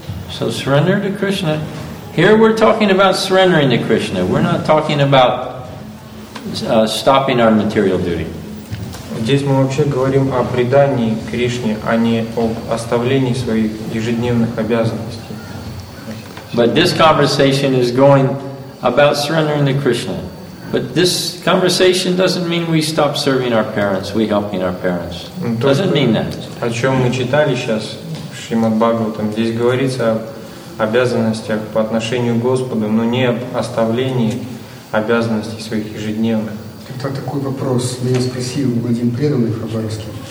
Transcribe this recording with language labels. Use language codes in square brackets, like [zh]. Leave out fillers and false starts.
[en] So surrender to Krishna. Here we're talking about surrendering to Krishna. We're not talking about stopping our material duty. [ru] Здесь мы вообще говорим о предании Кришне, а не об оставлении своих ежедневных обязанностей. [en] But this conversation is going about surrendering to Krishna. But this conversation doesn't mean we stop serving our parents, we helping our parents. Doesn't mean that. [ru] О чем мы читали сейчас в Шримад-Бхагаватам, здесь говорится о обязанностях по отношению к Господу, но не об оставлении обязанностей своих ежедневных. Тогда такой вопрос меня спросил один преданный в Хабаровске.